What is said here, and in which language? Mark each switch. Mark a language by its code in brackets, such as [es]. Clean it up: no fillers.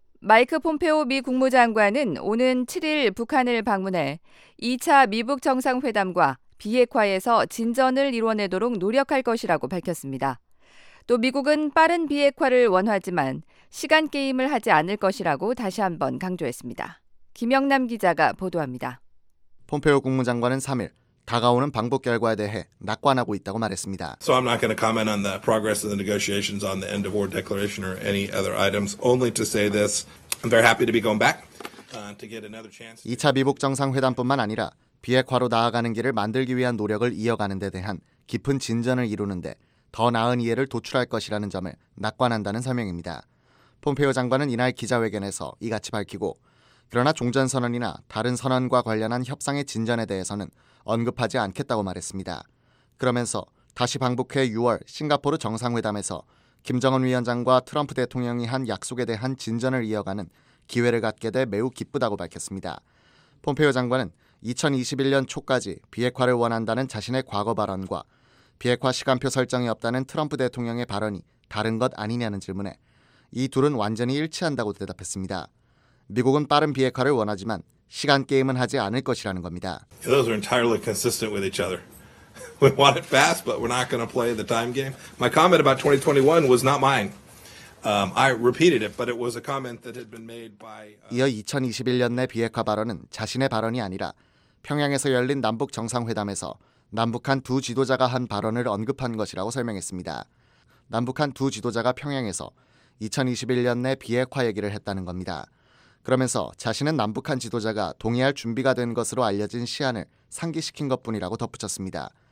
[ko] 마이크 폼페오 미 국무장관은 오는 7일 북한을 방문해 2차 미북 정상회담과 비핵화에서 진전을 이뤄내도록 노력할 것이라고 밝혔습니다. 또 미국은 빠른 비핵화를 원하지만 시간 게임을 하지 않을 것이라고 다시 한번 강조했습니다. 김영남 기자가 보도합니다. 폼페오 국무장관은 3일 다가오는 방북 결과에 대해 낙관하고 있다고 말했습니다. [en] So I'm not going to comment on the progress of the negotiations on the end of war declaration or any other items. Only to say this, I'm very happy to be going back to get another chance. [ko] 2차 미북 정상회담뿐만 아니라 비핵화로 나아가는 길을 만들기 위한 노력을 이어가는 데 대한 깊은 진전을 이루는데 더 나은 이해를 도출할 것이라는 점을 낙관한다는 설명입니다. 폼페오 장관은 이날 기자회견에서 이같이 밝히고 그러나 종전선언이나 다른 선언과 관련한 협상의 진전에 대해서는 언급하지 않겠다고 말했습니다. 그러면서 다시 방북해 6월 싱가포르 정상회담에서 김정은 위원장과 트럼프 대통령이 한 약속에 대한 진전을 이어가는 기회를 갖게 돼 매우 기쁘다고 밝혔습니다. 폼페오 장관은 2021년 초까지 비핵화를 원한다는 자신의 과거 발언과 비핵화 시간표 설정이 없다는 트럼프 대통령의 발언이 다른 것 아니냐는 질문에 이 둘은 완전히 일치한다고 대답했습니다. 미국은 빠른 비핵화를 원하지만 시간 게임은 하지 않을 것이라는 겁니다. [en] Those are entirely consistent with each other. We want it fast, but we're not going to play the time game. My comment about 2021 was not mine. I repeated it, but it was a comment that had been made by [ko] 이어 2021년 내 비핵화 발언은 자신의 발언이 아니라 평양에서 열린 남북 정상회담에서 남북한 두 지도자가 한 발언을 언급한 것이라고 설명했습니다. 남북한 두 지도자가 평양에서 2021년 내 비핵화 얘기를 했다는 겁니다. 그러면서 자신은 남북한 지도자가 동의할 준비가 된 것으로 알려진 시안을 상기시킨 것뿐이라고 덧붙였습니다.